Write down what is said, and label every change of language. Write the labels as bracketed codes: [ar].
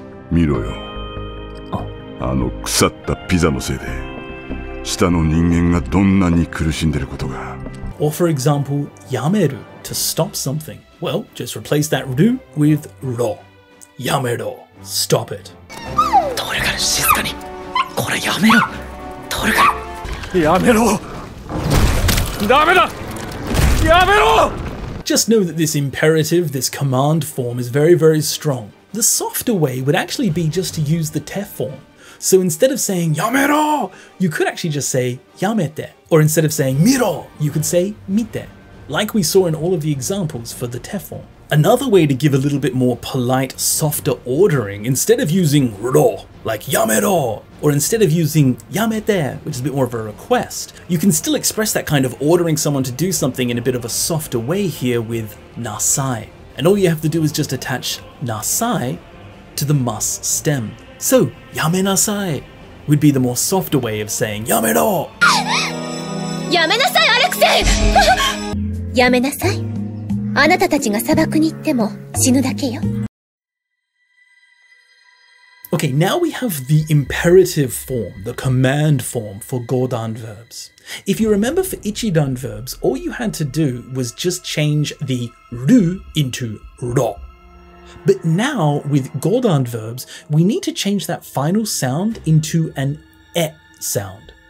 [ja] 見ろよ、あの腐ったピザのせいで下の人間がどんなに苦しんでることが。 [en] Or for example, やめる to stop something. Well, just replace that ru with ro. やめろ、stop it. [ja] トルガン静かに、これやめろ、トルガン。やめろ、ダメだ、やめろ。 [en] Just know that this imperative, this command form, is very, very strong. The softer way would actually be just to use the te form. So instead of saying yamero, you could actually just say yamete. Or instead of saying miro, you could say mite. Like we saw in all of the examples for the te form. Another way to give a little bit more polite, softer ordering, instead of using ro, like yamero, or instead of using yamete, which is a bit more of a request, you can still express that kind of ordering someone to do something in a bit of a softer way here with nasai. And all you have to do is just attach nasai to the mas stem. So, yamenasai would be the more softer way of saying yamero. [ja] Yamenasai, Alexei! Yamenasai. あなたたちが砂漠に行っても死ぬだけよ。 [en] Okay, now we have the imperative form, the command form for godan verbs. If you remember for ichidan verbs, all you had to do was just change the ru into ro. But now with godan verbs, we need to change that final sound into an e sound.